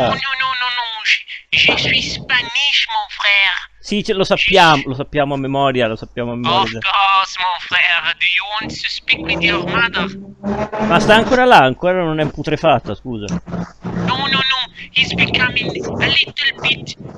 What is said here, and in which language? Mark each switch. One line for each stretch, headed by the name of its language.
French: no, no, no, no, je suis Spanish, mon frère.
Italian: Sì, lo sappiamo a memoria, lo sappiamo a memoria.
English: Of course,
French: mon frère.
English: Do you want to speak with your mother?
Italian: Ma sta ancora là, ancora non è putrefatta, scusa.
English: No, no, no, he's becoming a little bit,